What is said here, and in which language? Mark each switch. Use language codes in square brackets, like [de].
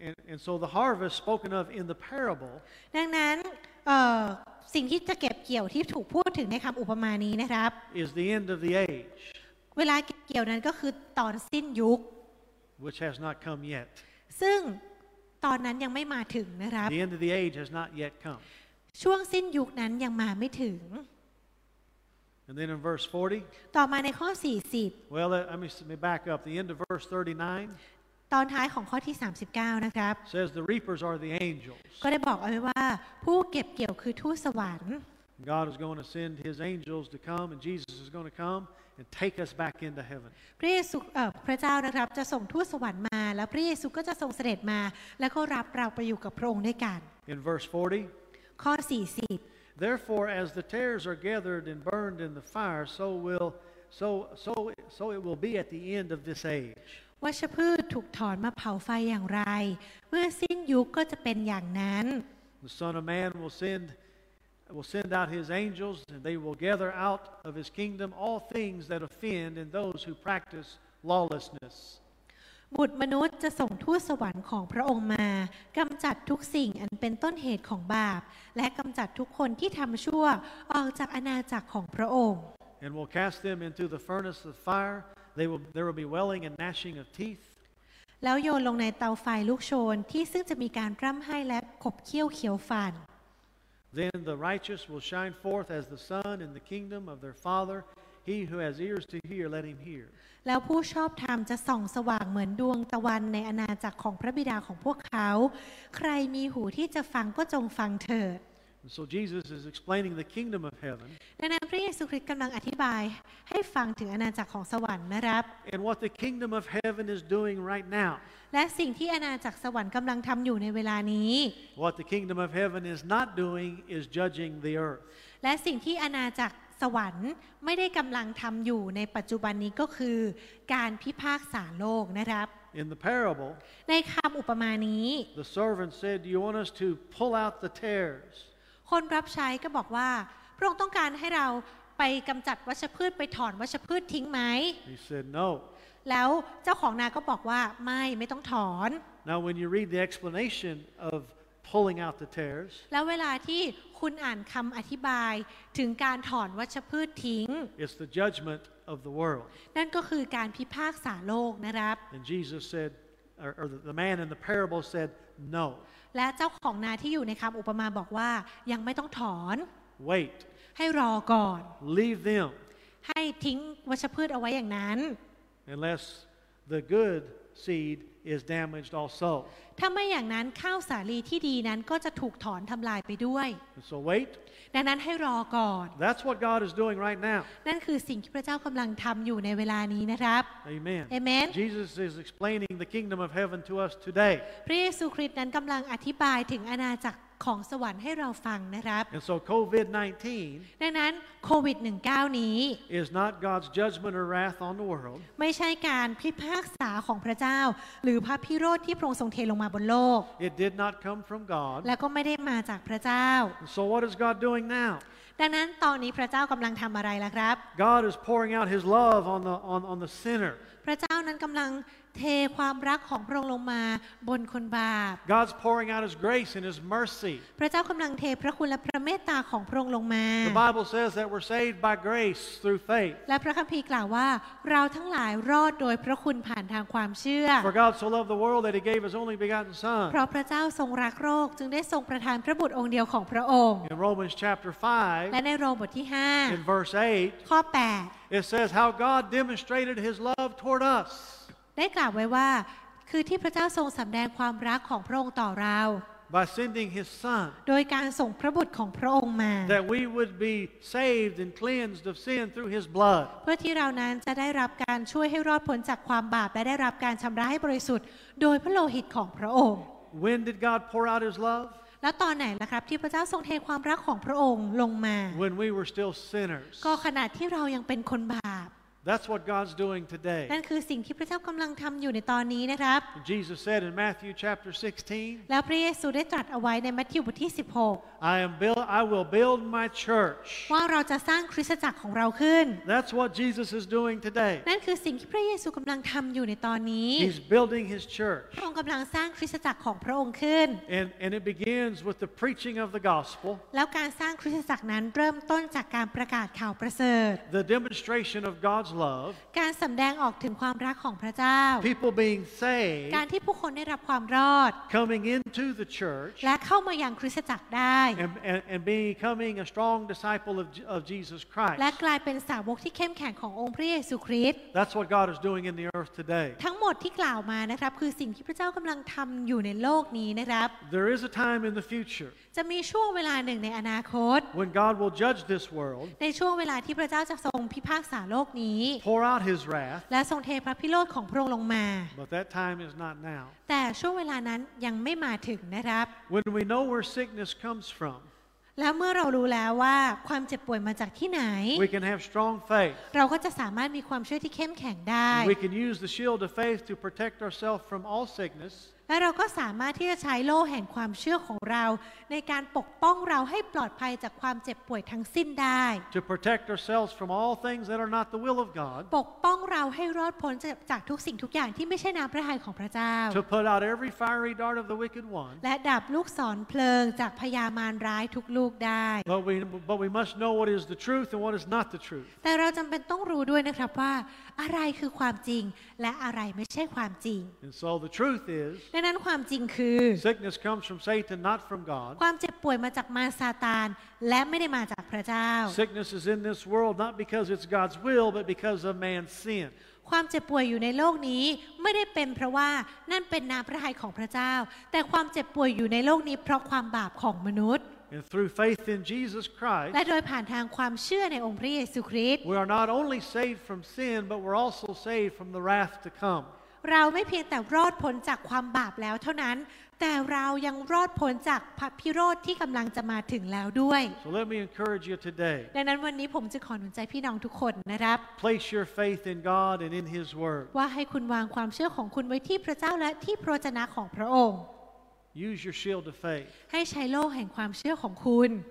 [en] And so the harvest spoken of in the parable. [th] ดังนั้นสิ่งที่จะเก็บเกี่ยวที่ถูกพูดถึงในคำอุปมานี้นะครับ [en] is the end of the age. [th] เวลาเกี่ยวนั้นก็คือตอนสิ้นยุค [en] Which has not come yet. [th] ซึ่งตอนนั้นยังไม่มาถึงนะครับ [en] The end of the age has not yet come. [th] ช่วงสิ้นยุคนั้นยังมาไม่ถึง [en] And then in verse 40. [th] ต่อมาในข้อ40 [en] Well, let me back up. The end of verse 39. [th] ตอนท้ายของข้อที่39นะครับ [en] Says the reapers are the angels. [th] ก็ได้บอกเอาไว้ว่าผู้เก็บเกี่ยวคือทูตสวรรค์ [en] God is going to send His angels to come, and Jesus is going to come. And take us back into heaven. [th] พระเยซูพระเจ้านะครับจะส่งทูตสวรรค์มาแล้วพระเยซูก็จะทรงเสด็จมาแล้วก็รับเราไปอยู่กับพระองค์ด้วยกัน [en] In verse 40. [th] ข้อ 40. [en] Therefore, as the tares are gathered and burned in the fire, so it will be at the end of this age. [th] วัชพืชถูกถอนมาเผาไฟอย่างไรเมื่อสิ้นยุคก็จะเป็นอย่างนั้น [en] The Son of Man will send out his angels and they will gather out of his kingdom all things that offend and those who practice lawlessness [th] บุตรมนุษย์จะส่งทูตสวรรค์ของพระองค์มากำจัดทุกสิ่งอันเป็นต้นเหตุของบาปและกำจัดทุกคนที่ทำชั่วออกจากอาณาจักรของพระองค์ [en] and will cast them into the furnace of fire there will be wailing and gnashing of teeth [th] แล้วโยนลงในเตาไฟลุกโชนที่ซึ่งจะมีการร่ำไห้และขบเคี้ยวเขียวฟัน [en] Then the righteous will shine forth as the sun in the kingdom of their Father. He who has ears to hear, let him hear. [th] แล้วผู้ชอบธรรมจะส่องสว่างเหมือนดวงตะวันในอาณาจักรของพระบิดาของพวกเขาใครมีหูที่จะฟังก็จงฟังเถิด [en] So Jesus is explaining the kingdom of heaven. [th] ดังนั้นพระเยซูคริสต์กำลังอธิบายให้ฟังถึงอาณาจักรของสวรรค์นะครับ [en] And what the kingdom of heaven is doing right now. [th] และสิ่งที่อาณาจักรสวรรค์กำลังทำอยู่ในเวลานี้ [en] What the kingdom of heaven is not doing is judging the earth [th] และสิ่งที่อาณาจักรสวรรค์ไม่ได้กำลังทำอยู่ในปัจจุบันนี้ก็คือการพิพากษาโลกนะครับ [en] In the parable [th] ในคำอุปมานี้ [en] The servant said, "Do you want us to pull out the tares?" [th] คนรับใช้ก็บอกว่าพระองค์ต้องการให้เราไปกำจัดวัชพืชไปถอนวัชพืชทิ้งไหม [en] He said, "No." [th] แล้วเจ้าของนาก็บอกว่าไม่ต้องถอน [en] Now when you read the explanation of pulling out the tares [th] แล้วเวลาที่คุณอ่านคำอธิบายถึงการถอนวัชพืชทิ้ง [en] It's the judgment of the world [th] นั่นก็คือการพิพากษาโลกนะครับ [en] And Jesus said or the man in the parable said no. [th] และเจ้าของนาที่อยู่ในคำอุปมาบอกว่ายังไม่ต้องถอน [en] Wait. [th] ให้รอก่อน [en] Leave them. [th] ให้ทิ้งวัชพืชเอาไว้อย่างนั้น [en] Unless the good seed is damaged also. [th] ถ้าไม่อย่างนั้นข้าวสาลีที่ดีนั้นก็จะถูกถอนทำลายไปด้วย [en] So wait. [th] ดังนั้นให้รอก่อน [en] That's what God is doing right now. [th] นั่นคือสิ่งที่พระเจ้ากำลังทำอยู่ในเวลานี้นะครับ [en] Amen. Amen. Jesus is explaining the kingdom of heaven to us today. [th] พระเยซูคริสต์นั้นกำลังอธิบายถึงอาณาจักรของสวรรค์ให้เราฟังนะครับ [en] And so COVID-19 [th] ดังนั้นโควิด19นี้ [en] is not God's judgment or wrath on the world [th] ไม่ใช่การพิพากษาของพระเจ้าหรือพระพิโรธที่พระองค์ทรงเทลงมาบนโลก [en] It did not come from God [th] แล้วก็ไม่ได้มาจากพระเจ้า [en] So what is God doing now [th] ดังนั้นตอนนี้พระเจ้ากำลังทำอะไรล่ะครับ [en] God is pouring out his love on the sinner [th] พระเจ้านั้นกำลังเทความรักของพระองค์ลงมาบนคนบาป [en] God's pouring out his grace and his mercy [th] พระเจ้ากำลังเทพระคุณและพระเมตตาของพระองค์ลงมา [en] The Bible says that we're saved by grace through faith [th] และพระคัมภีร์กล่าวว่าเราทั้งหลายรอดโดยพระคุณผ่านทางความเชื่อ [en] For God so loved the world that he gave his only begotten son [th] เพราะพระเจ้าทรงรักโลกจึงได้ทรงประทานพระบุตรองค์เดียวของพระองค์ [en] In Romans chapter 5 [th] และในโรมบทที่5 [en] In verse 8 [th] ข้อ8 [en] It says how God demonstrated his love toward us [th] ได้กล่าวไว้ว่าคือที่พระเจ้าทรงสำแดงความรักของพระองค์ต่อเรา [en] By sending his son [th] โดยการส่งพระบุตรของพระองค์มา [en] That we would be saved and cleansed of sin through his blood [th] เพื่อที่เรานั้นจะได้รับการช่วยให้รอดพ้นจากความบาปและได้รับการชำระให้บริสุทธิ์โดยพระโลหิตของพระองค์ [en] When did God pour out his love [th] แล้วตอนไหนล่ะครับที่พระเจ้าทรงเทความรักของพระองค์ลงมา [en] When we were still sinners [th] ก็ขณะที่เรายังเป็นคนบาป [en] That's what God's doing today. [th] นั่นคือสิ่งที่พระเจ้ากำลังทำอยู่ในตอนนี้นะครับ [en] Jesus said in Matthew chapter 16. [th] แล้วพระเยซูได้ตรัสเอาไว้ในมัทธิวบทที่16 [en] I will build my church. [th] ว่าเราจะสร้างคริสตจักรของเราขึ้น [en] That's what Jesus is doing today. [th] นั่นคือสิ่งที่พระเยซูกำลังทำอยู่ในตอนนี้ [en] He's building his church. [th] พระองค์กำลังสร้างคริสตจักรของพระองค์ขึ้น [en] And it begins with the preaching of the gospel. [th] แล้วการสร้างคริสตจักรนั้นเริ่มต้นจากการประกาศข่าวประเสริฐ [en] The demonstration of God's [th] การสำแดงออกถึงความรักของพระเจ้า [en] People being saved [th] การที่ผู้คนได้รับความรอด [en] Coming into the church [th] และเข้ามายังคริสตจักรได้ [en] and becoming a strong disciple of Jesus Christ [th] และกลายเป็นสาวกที่เข้มแข็งขององค์พระเยซูคริสต์ [en] That's what God is doing in the earth today [th] ทั้งหมดที่กล่าวมานะครับคือสิ่งที่พระเจ้ากำลังทำอยู่ในโลกนี้นะครับ [en] There is a time in the future [th] จะมีช่วงเวลาหนึ่งในอนาคต [en] When God will judge this world [th] ในช่วงเวลาที่พระเจ้าจะทรงพิพากษาโลกนี้ [en] Pour out his wrath [th] และทรงเทพระพิโรธของพระองค์ลงมา [en] But that time is not now [th] แต่ช่วงเวลานั้นยังไม่มาถึงนะครับ [en] When we know where sickness comes from [th] แล้วเมื่อเรารู้แล้วว่าความเจ็บป่วยมาจากที่ไหน [en] We can have strong faith [th] เราก็จะสามารถมีความเชื่อที่เข้มแข็งได้ [en] We can use the shield of faith to protect ourselves from all sickness [th] และเราก็สามารถที่จะใช้โล่แห่งความเชื่อของเราในการปกป้องเราให้ปลอดภัยจากความเจ็บป่วยทั้งสิ้นได้ [en] To protect ourselves from all things that are not the will of God [th] ปกป้องเราให้รอดพ้นจากทุกสิ่งทุกอย่างที่ไม่ใช่น้ำพระทัยของพระเจ้า [en] To put out every fiery dart of the wicked one [th] และดับลูกศรเพลิงจากพยามารร้ายทุกลูกได้ [en] But we must know what is the truth and what is not the truth [th] แต่เราจำเป็นต้องรู้ด้วยนะครับว่าอะไรคือความจริงและอะไรไม่ใช่ความจริง [en] And so the truth is [th] ดังนั้นความจริงคือ [en] Sickness comes from Satan not from God [th] ความเจ็บป่วยมาจากมารซาตานและไม่ได้มาจากพระเจ้า [en] Sickness is in this world not because it's God's will but because of man's sin [th] ความเจ็บป่วยอยู่ในโลกนี้ไม่ได้เป็นเพราะว่านั่นเป็นน้ำพระทัยของพระเจ้าแต่ความเจ็บป่วยอยู่ในโลกนี้เพราะความบาปของมนุษย์ [en] And through faith in Jesus Christ, [th] และโดยผ่านทางความเชื่อในองค์พระเยซูคริสต์ [en] we are not only saved from sin, but we're also saved from the wrath to come. [th] เราไม่เพียงแต่รอดพ้นจากความบาปแล้วเท่านั้นแต่เรายังรอดพ้นจากพระพิโรธที่กำลังจะมาถึงแล้วด้วย [en] So let me encourage you today. [th] ดังนั้นวันนี้ผมจะขอหนุนใจพี่น้องทุกคนนะครับ [en] Place your faith in God and in His Word. [th] ว่าให้คุณวางความเชื่อของคุณไว้ที่พระเจ้าและที่พระวจนะของพระองค์ [en] Use your shield of faith. [th] ให้ใช้โล่แห่งความเชื่อของคุณ